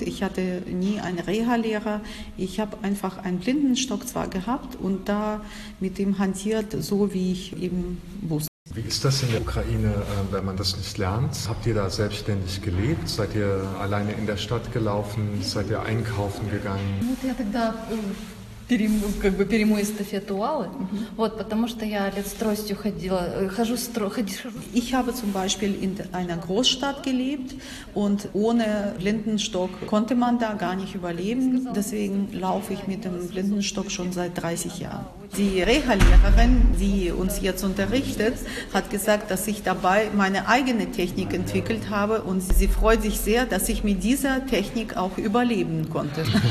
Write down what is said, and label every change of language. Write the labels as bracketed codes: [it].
[de] Ich hatte nie einen Reha-Lehrer. Ich habe einfach einen Blindenstock zwar gehabt und da mit dem hantiert, so wie ich eben wusste. Wie ist das in der Ukraine, wenn man das nicht lernt? Habt ihr da selbstständig gelebt? Seid ihr alleine in der Stadt gelaufen? Seid ihr einkaufen gegangen? [ru] Как бы перейму эстафету Аллы, вот, потому что я лет с тростью ходила, хожу с тростью. [de] Ich habe zum Beispiel in einer Großstadt gelebt und ohne Blindenstock konnte man da gar nicht überleben. Deswegen laufe ich mit dem Blindenstock schon seit 30 Jahren. Die Reha-Lehrerin, die uns jetzt unterrichtet, hat gesagt, dass ich dabei meine eigene Technik entwickelt habe und sie freut sich sehr, dass ich mit dieser Technik auch überleben konnte.